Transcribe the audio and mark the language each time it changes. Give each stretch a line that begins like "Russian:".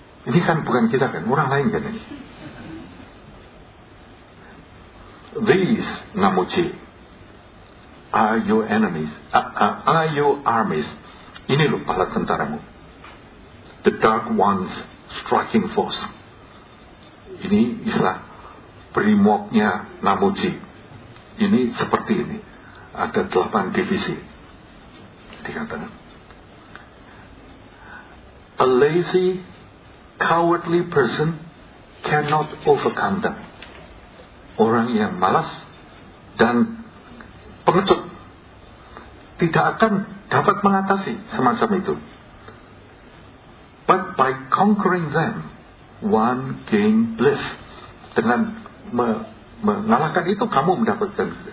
Indonesian: Ini kan bukan kita kan, orang lain kan ini.
English: These namuji are your enemies, are your armies.
Indonesian: Ini loh para tentaramu.
English: The dark ones striking force.
Indonesian: Ini istilah primoknya namuji. Ini seperti ini. Ada 8 divisi. Dikatakan.
English: A lazy, cowardly person cannot overcome them.
Indonesian: Orang yang malas dan pengecut tidak akan dapat mengatasi semacam itu.
English: But by conquering them, one gain bliss.
Indonesian: Dengan mengalahkan itu, kamu mendapatkan.